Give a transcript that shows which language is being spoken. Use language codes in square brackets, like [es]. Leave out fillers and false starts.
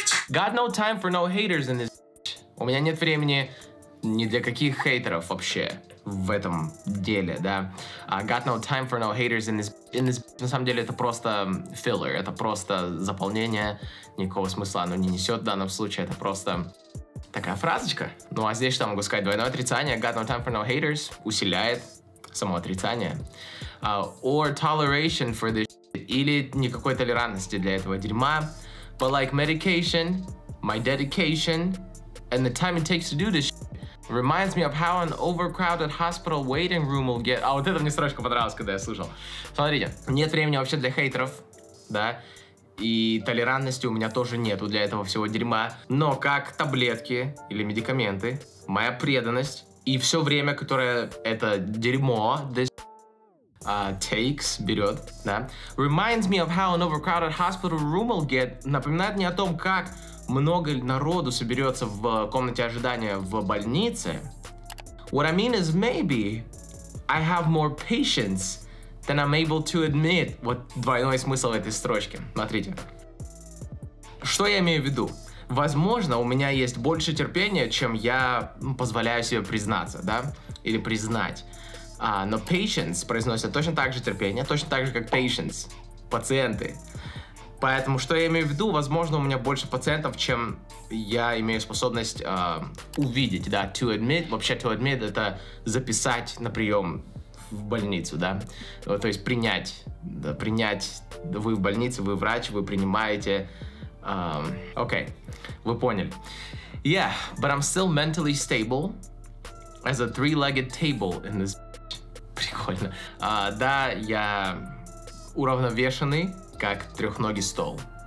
[en] Got no time for no haters in this. [ru] У меня нет времени ни для каких хейтеров вообще в этом деле, да. [en] Got no time for no haters in this. [ru] На самом деле это просто filler, это просто заполнение, никакого смысла оно не несет в данном случае, это просто такая фразочка. Ну а здесь что могу сказать? Двойное отрицание. [en] Got no time for no haters [ru] усиляет само отрицание. [en] Or toleration for this shit. [ru] Или никакой толерантности для этого дерьма. [en] But like medication, my dedication, and the time it takes to do this shit reminds me of how an overcrowded hospital waiting room will get. [ru] А вот это мне строчка понравилась, когда я слышал. Смотрите, нет времени вообще для хейтеров, да? И толерантности у меня тоже нету для этого всего дерьма. Но как таблетки или медикаменты, моя преданность и все время, которое это дерьмо, [en] this takes, [ru] берет, да? [en] Reminds me of how an overcrowded hospital room will get. [ru] Напоминает мне о том, как много народу соберется в комнате ожидания в больнице. [en] What I mean is maybe I have more patience than I'm able to admit. [ru] Вот двойной смысл в этой строчке. Смотрите. Что я имею в виду? Возможно, у меня есть больше терпения, чем я позволяю себе признаться, да? Или признать. Но patience произносит точно так же терпение, точно так же, как patients, пациенты. Поэтому, что я имею в виду, возможно, у меня больше пациентов, чем я имею способность увидеть, да, [en] to admit. [ru] Вообще, to admit — это записать на прием в больницу, да, то есть принять, да, принять, вы в больнице, вы врач, вы принимаете, окей, вы поняли. [en] Yeah, but I'm still mentally stable as a three-legged table in this bitch. [ru] Прикольно. Да, я уравновешенный, как трехногий стол.